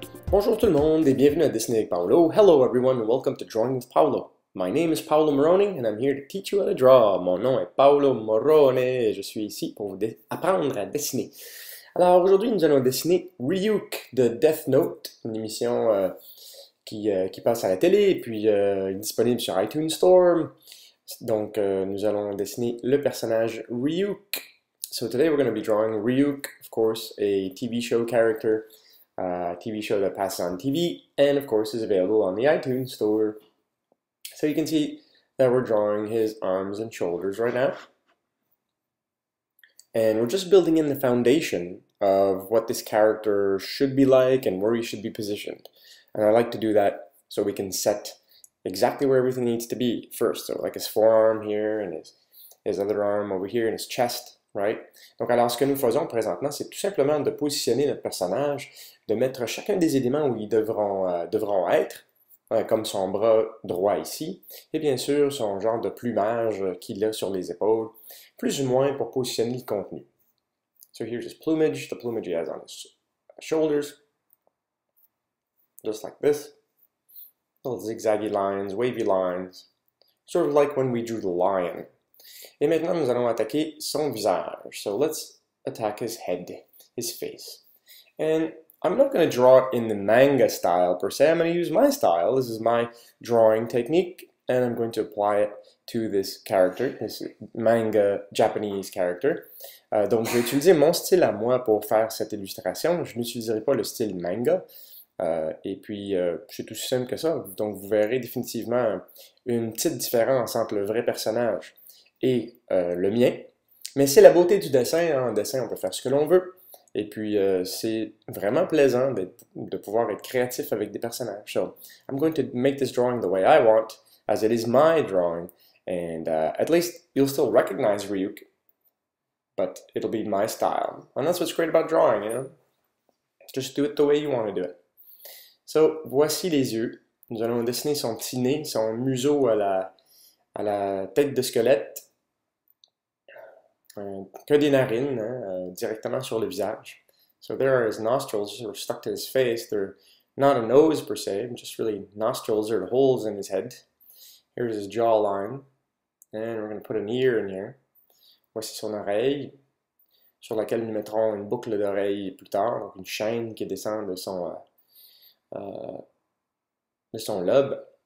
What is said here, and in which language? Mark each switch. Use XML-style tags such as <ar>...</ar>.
<fr>Bonjour tout le monde et bienvenue à Dessiner avec Paolo.</fr> <en>Hello everyone and welcome to Drawing with Paolo. My name is Paolo Morrone and I'm here to teach you how to draw.</en> <fr>Mon nom est Paolo Morrone et je suis ici pour vous apprendre à dessiner. Alors aujourd'hui nous allons dessiner Ryuk de Deathnote, une émission qui passe à la télé et puis disponible sur iTunes Store. Donc nous allons dessiner le personnage Ryuk.</fr> <en>So today we're going to be drawing Ryuk, of course, a TV show character. TV show that passes on TV, and of course is available on the iTunes Store. So you can see that we're drawing his arms and shoulders right now. And we're just building in the foundation of what this character should be like and where he should be positioned. And I like to do that so we can set exactly where everything needs to be first. So like his forearm here and his other arm over here and his chest. Right?</en> <fr>Donc alors ce que nous faisons présentement, c'est tout simplement de positionner notre personnage, de mettre chacun des éléments où ils devront être, comme son bras droit ici, et bien sûr son genre de plumage qu'il a sur les épaules, plus ou moins pour positionner le contenu.</fr> <en>So here's his plumage, the plumage he has on his shoulders, just like this. Little zigzaggy lines, wavy lines, sort of like when we drew the lion.</en> <fr>Et maintenant, nous allons attaquer son visage.</fr> <en>So let's attack his head, his face. And I'm not going to draw in the manga style per se. I'm going to use my style. This is my drawing technique. And I'm going to apply it to this character, this manga Japanese character.</en> <fr>Donc, je vais utiliser mon style à moi pour faire cette illustration. Je n'utiliserai pas le style manga. C'est aussi simple que ça. Donc, vous verrez définitivement une petite différence entre le vrai personnage et le mien, mais c'est la beauté du dessin, hein. En dessin, on peut faire ce que l'on veut, et puis c'est vraiment plaisant de pouvoir être créatif avec des personnages.</fr> <en>So, I'm going to make this drawing the way I want, as it is my drawing, and at least you'll still recognize Ryuk, but it'll be my style. And that's what's great about drawing, you know? Just do it the way you want to do it.</en> <fr>So, voici les yeux. Nous allons dessiner son petit nez, son museau à la tête de squelette, que des narines, hein, directement sur le visage.</fr> <en>So there are his nostrils, sort of stuck to his face. They're not a nose per se, just really nostrils or holes in his head. Here's his jawline. And we're going to put an ear in here.</en> <fr>Voici son oreille, sur laquelle nous mettrons une boucle d'oreille plus tard, donc une chaîne qui descend de son lobe.</fr>